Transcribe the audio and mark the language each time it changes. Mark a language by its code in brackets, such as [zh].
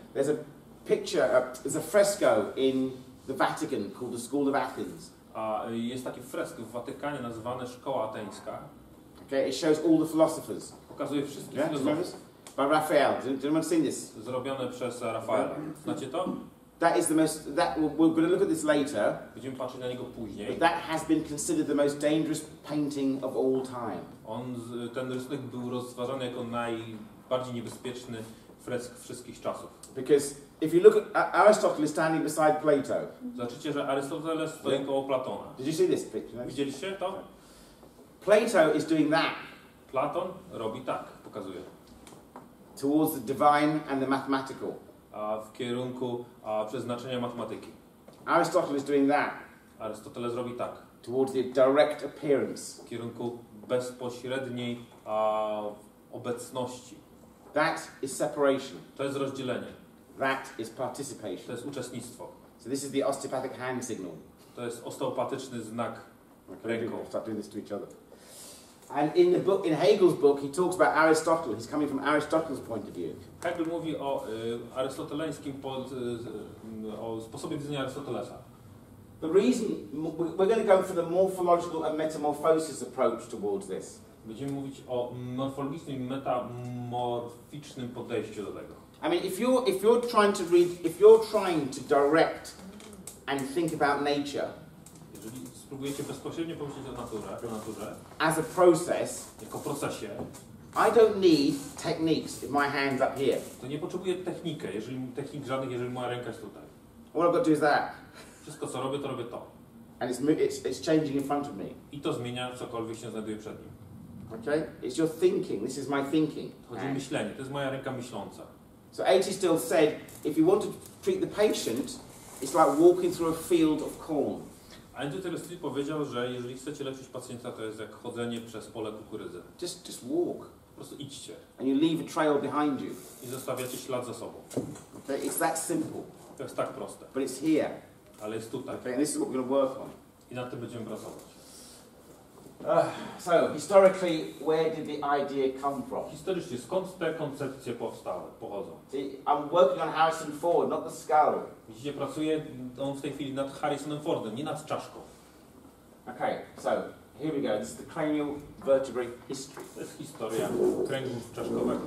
[en] There's a picture, there's a fresco in the Vatican called the School of Athens. [pl] Jest taki fresk w Watykanie nazywany Szkoła Ateńska. [en] Okay, it shows all the philosophers. [pl] Pokazuje wszystkich filozofów. [en] By Raphael. Has anyone seen this? [pl] Zrobione przez Rafaela. Znacie to? [en] That is the most. That we're going to look at this later. [pl] Będziemy patrzeć na niego później. [en] But that has been considered the most dangerous painting of all time. [pl] On ten rysunek był rozważany jako najbardziej niebezpieczny fresk wszystkich czasów. [en] Because if you look at Aristotle standing beside Plato. [pl] Zobaczycie, że Arystoteles stoi koło Platona. [en] Did you see this picture? [pl] Widzieliście to? [en] Plato is doing that. [pl] Platon robi tak, pokazuje. [en] Towards the divine and the mathematical. [pl] W kierunku przeznaczenia matematyki. [en] Aristotle is doing that. [pl] Arystoteles robi tak. [en] Towards the direct appearance. [pl] W kierunku bezpośredniej obecności. [en] That is separation. [pl] To jest rozdzielenie. [en] That is participation. [pl] To jest uczestnictwo. [en] So this is the osteopathic hand signal. [pl] To jest osteopatyczny znak ręką. [en] We'll start doing this to each other. And in the book, in Hegel's book, he talks about Aristotle. He's coming from Aristotle's point of view. [pl] Hegel mówi o arystoteleńskim o sposobie widzenia Arystotelesa. [en] The reason we're going to go for the morphological and metamorphosis approach towards this. [pl] Będziemy mówić o morfologicznym i metamorficznym podejściu do tego. [en] I mean, if you're trying to read, if you're trying to direct and think about nature. [pl] Próbujecie bezpośrednio pomyśleć o naturze. [en] As a process, [pl] jako procesie, [en] I don't need techniques if my hand's up here. [pl] To nie potrzebuję techniki, jeżeli technik żadnych, jeżeli moja ręka jest tutaj. [en] All I've got to do is that. [pl] Wszystko co robię, to robię to. [en] And it's changing in front of me. [pl] I to zmienia cokolwiek się znajduje przed nim. [en] Okay? It's your thinking. This is my thinking. [pl] Chodzi o myślenie. To jest moja ręka myśląca. [en] So AT still said, if you want to treat the patient, it's like walking through a field of corn. [pl] Aristoteles powiedział, że jeżeli chcecie leczyć pacjenta, to jest jak chodzenie przez pole kukurydzy. [en] Just walk. [pl] Po prostu idźcie. [en] And you leave a trail behind you. [pl] I zostawiacie ślad za sobą. [en] Okay, it's that simple. [pl] To jest tak proste. [en] But it's here. [pl] Ale jest tutaj. [en] Okay, and this is what we're going to work on. [pl] I nad tym będziemy pracować. [en] So historically, where did the idea come from? [pl] Historycznie, skąd te koncepcje powstały, pochodzą? [en] I'm working on Harrison Ford, not the skull. [pl] Widzicie, pracuje on w tej chwili nad Harrisonem Fordem, nie nad czaszką. [en] Okay, so here we go. This is the cranial vertebrae history. [pl] To jest historia kręgu czaszkowego.